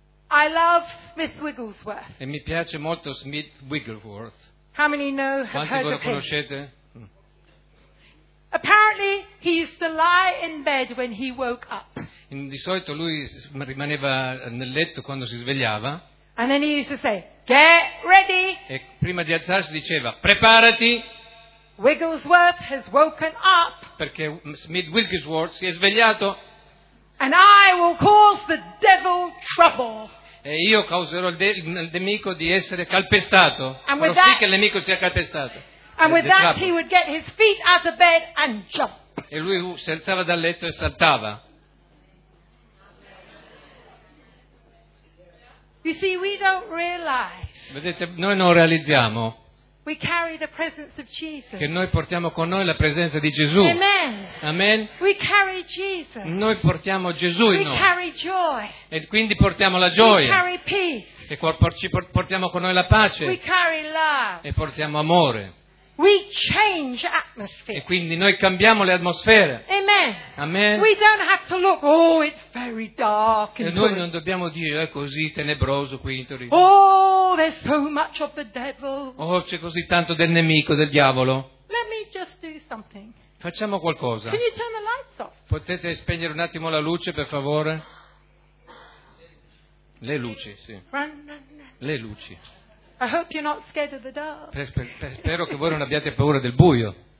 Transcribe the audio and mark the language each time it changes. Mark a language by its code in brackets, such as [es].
[en] I love Smith Wigglesworth. [it] E mi piace molto Smith Wigglesworth. [en] How many know, have [it] Quanti [en] heard [it] voi lo conoscete? [en] Apparently he used to lie in bed when he woke up. [it] Di solito lui rimaneva nel letto quando si svegliava. [en] And then he used to say, "Get ready." [it] E prima di alzarsi diceva, "Preparati." [en] Wigglesworth has woken up. [it] Perché Smith Wigglesworth si è svegliato. [en] And I will cause the devil trouble. [it] E io causerò il nemico di essere calpestato. [en] And [it] farò [en] with that, [it] sì che il nemico sia calpestato. [en] And with that he would get his feet out of bed and jump. [it] E lui si alzava dal letto e saltava. [en] You see, we don't realize. [it] Vedete, noi non realizziamo. [en] We carry the presence of Jesus. [it] Che noi portiamo con noi la presenza di Gesù. [en] Amen. [it] Amen. [en] We carry Jesus. [it] Noi portiamo Gesù in noi. [en] We carry joy. [it] E quindi portiamo la gioia. [en] We carry peace. [it] e ci portiamo con noi la pace, [en] we carry love. [it] E portiamo amore, [en] we change atmosphere. [it] E quindi noi cambiamo le atmosfere. [en] Amen. [it] Amen. [en] We don't have to look, oh, it's very dark. [it] E noi non dobbiamo dire, è così tenebroso qui in Torino. [en] Oh, there's so much of the devil. [it] Oh, c'è così tanto del nemico, del diavolo. [en] Let me just do something. [it] Facciamo qualcosa. [en] Can you turn the lights off? [it] Potete spegnere un attimo la luce, per favore? Le luci, sì. [en] Run, run, run. [it] Le luci. [en] I hope you're not scared of the dark. [it] Spero che voi non abbiate paura del buio.